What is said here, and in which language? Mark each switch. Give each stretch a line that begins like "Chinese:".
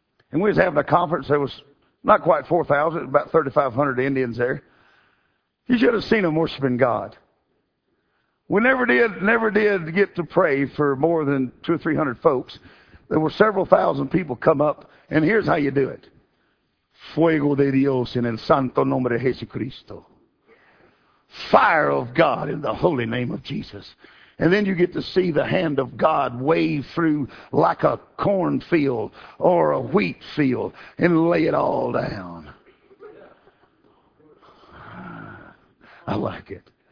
English: And we was having a conference. There was not quite 4,000, about 3,500 Indians there. You should have seen them worshiping God. We never did get to pray for more than 200 or 300 folks. There were several thousand people come up, and here's how you do it.
Spanish: Fuego de Dios en el santo nombre de Jesucristo.
English: Fire of God in the holy name of Jesus. And then you get to see the hand of God wave through like a cornfield or a wheat field and lay it all down. I like it.